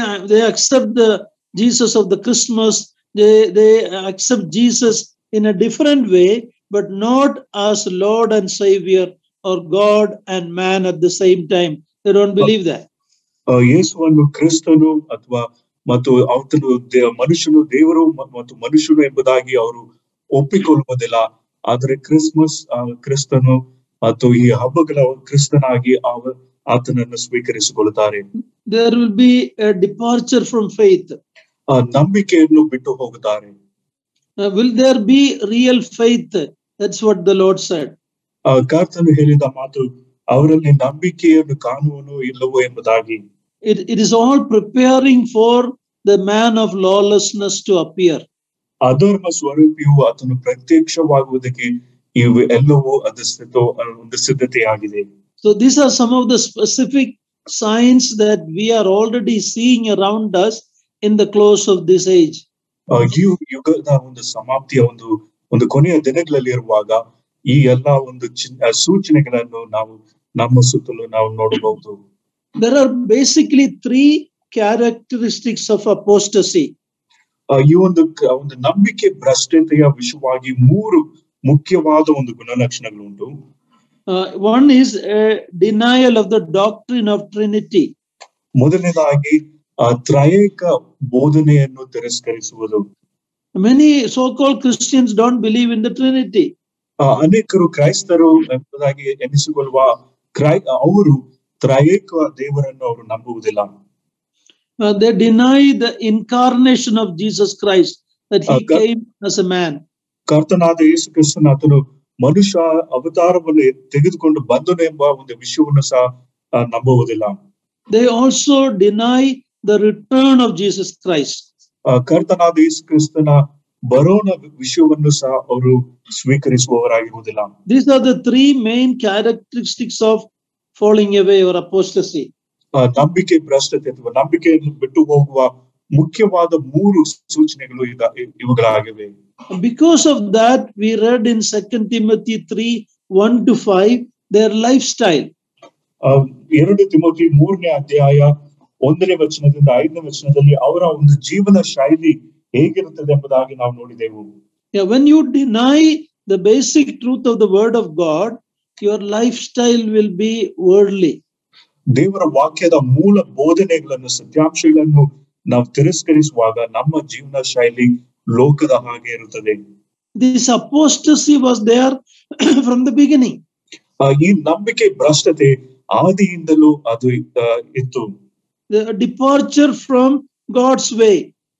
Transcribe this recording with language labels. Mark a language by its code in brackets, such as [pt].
[en] They accept the Jesus of the Christmas. They accept Jesus in a different way, but not as Lord and Savior or God and man at the same time. They don't believe that. [kn] ಯೇಸುವನ್ನು ಕ್ರಿಸ್ತನು ಅಥವಾ ಮತ್ತು ಅವನು ಮನುಷ್ಯನು ದೇವರು ಮತ್ತು ಮನುಷ್ಯನು ಎಂಬುದಾಗಿ ಅವರು ಒಪ್ಪಿಕೊಳ್ಳುವುದಿಲ್ಲ. ಆದರೆ ಕ್ರಿಸ್ಮಸ್ ಕ್ರಿಸ್ತನು ಮತ್ತು ಈ ಹಬ್ಬಗಳ ಕ್ರಿಸ್ತನಾಗಿ ಆತನನ್ನು ಸ್ವೀಕರಿಸಿಕೊಳ್ಳುತ್ತಾರೆ. [en] There will be a departure from faith. [kn] ನಂಬಿಕೆಯನ್ನು ಬಿಟ್ಟು ಹೋಗುತ್ತಾರೆ. [en] Will there be real faith? That's what the Lord said. [kn] ಕರ್ತನು ಹೇಳಿದ ಮಾತು ಅವರಲ್ಲಿ ನಂಬಿಕೆಯನ್ನು ಕಾಣುವನು ಇಲ್ಲವೋ ಎಂಬುದಾಗಿ. [en] It is all preparing for the man of lawlessness to appear. [kn] ಅಧರ್ಮ ಸ್ವರೂಪಿಯು ಅದನ್ನು ಪ್ರತ್ಯಕ್ಷವಾಗುವುದಕ್ಕೆ ಇವು ಎಲ್ಲವೂ ಒಂದು ಸಿದ್ಧತೆಯಾಗಿದೆ. [en] So these are some of the specific signs that we are already seeing around us in the close of this age. [kn] ಈ ಯುಗದ ಒಂದು ಸಮಾಪ್ತಿಯ ಒಂದು ಒಂದು ಕೊನೆಯ ದಿನಗಳಲ್ಲಿ ಇರುವಾಗ ಈ ಎಲ್ಲಾ ಒಂದು ಸೂಚನೆಗಳನ್ನು ನಾವು ನಮ್ಮ ಸುತ್ತಲೂ ನಾವು ನೋಡಬಹುದು. [en] There are basically 3 characteristics of apostasy. [kn] ಈ ಒಂದು ನಂಬಿಕೆ ಭ್ರಷ್ಟತೆಯ ವಿಷಯವಾಗಿ ಮೂರು ಮುಖ್ಯವಾದ ಒಂದು ಗುಣಲಕ್ಷಣಗಳು ಉಂಟು. [en] One is a denial of the doctrine of Trinity. [kn] ಮೊದಲನೇದಾಗಿ ತ್ರೈಕ ಬೋಧನೆಯನ್ನು ತಿರಸ್ಕರಿಸುವುದು. [en] Many so-called Christians don't believe in the Trinity. [kn] ಅನೇಕರು ಕ್ರೈಸ್ತರು ಎಂಬುದಾಗಿ ಎನಿಸಿಕೊಳ್ಳುವ ಅವರು ತ್ರೈಕ ದೇವರನ್ನು ಅವರು ನಂಬುವುದಿಲ್ಲ. [en] They deny the incarnation of Jesus Christ, that he came as a man. [kn] ಕರ್ತನಾದ ಯೇಸು ಕ್ರಿಸ್ತನ ಅತನು ಮನುಷ್ಯ ಅವತಾರವನ್ನು ತೆಗೆದುಕೊಂಡು ಬಂದನು ಎಂಬ ಒಂದು ವಿಷಯವನ್ನು ಸಹ ನಂಬುವುದಿಲ್ಲ. [en] They also deny the return of Jesus Christ. [kn] ಕರ್ತನಾದ ಯೇಸು ಕ್ರಿಸ್ತನ ಬರೋಣ ವಿಷಯವನ್ನು ಸಹ ಅವರು ಸ್ವೀಕರಿಸುವವರಾಗಿರುವುದಿಲ್ಲ. [en] These are the 3 main characteristics of falling away your apostasy. [kn] ನಂಬಿಕೆ ಭ್ರಷ್ಟತೆ ಅಥವಾ ನಂಬಿಕೆಯನ್ನು ಬಿಟ್ಟು ಹೋಗುವ ಮುಖ್ಯವಾದ ಮೂರು ಸೂಚನೆಗಳು ಇವುಗಳಾಗಿವೆ. [en] Because of that we read in second Timothy 3:1-5 their lifestyle. [kn] ಎರಡು ತಿಮೊಥಿ 3ನೇ ಅಧ್ಯಾಯ 1ನೇ ವಚನದಿಂದ 5ನೇ ವಚನದಲ್ಲಿ ಅವರ ಒಂದು ಜೀವನ ಶೈಲಿ ಹೇಗಿರುತ್ತದೆ ಎಂಬುದಾಗಿ ನಾವು ನೋಡಿದೆವು. [en] When you deny the basic truth of the word of God, your lifestyle will be worldly. [kn] ದೇವರ ವಾಕ್ಯದ ಮೂಲ ಬೋಧನೆಗಳನ್ನು ಸತ್ಯಾಂಶಗಳನ್ನು ನಾವು ತಿರಸ್ಕರಿಸುವಾಗ ನಮ್ಮ ಜೀವನ ಶೈಲಿ ಲೋಕದ ಹಾಗೆ ಇರುತ್ತದೆ. [en] This apostasy was there from the beginning. [kn] ಈ ನಂಬಿಕೆ ಭ್ರಷ್ಟತೆ ಆದಿಯಿಂದಲೂ ಅದು ಇತ್ತು. [en] The departure from God's way.